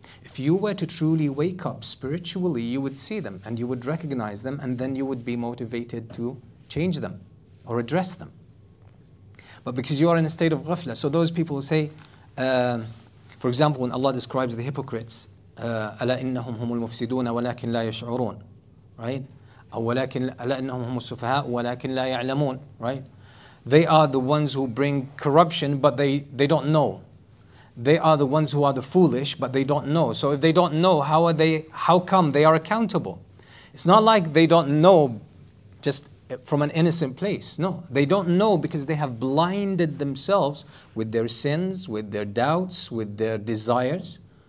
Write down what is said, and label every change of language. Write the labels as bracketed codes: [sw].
[en] If you were to truly wake up spiritually, you would see them and you would recognize them, and then you would be motivated to change them or address them. But because you are in a state of ghafla, so those people who say, for example, when Allah describes the hypocrites, [ar] أَلَا إِنَّهُمْ هُمُ الْمُفْسِدُونَ وَلَكِنْ لَا يَشْعُرُونَ, [en] right? [ar] أَلَا إِنَّهُمْ هُمُ السُّفَهَاءُ وَلَكِنْ لَا يَعْلَمُونَ, [en] right? They are the ones who bring corruption, but they don't know. They are the ones who are the foolish, but they don't know. So if they don't know, how are they? How come they are accountable? It's not like they don't know just from an innocent place. No, they don't know because they have blinded themselves with their sins, with their doubts, with their desires.